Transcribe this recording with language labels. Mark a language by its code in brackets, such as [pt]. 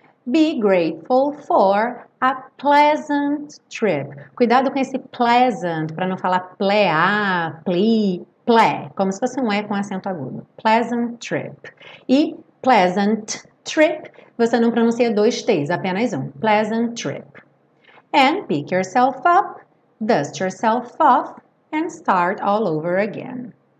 [en] Be grateful for a pleasant trip. [pt] Cuidado com esse pleasant, para não falar plea, ple, como se fosse um E com acento agudo. Pleasant trip. E pleasant trip, você não pronuncia dois T's, apenas um. [en] Pleasant trip. And pick yourself up, dust yourself off, and start all over again.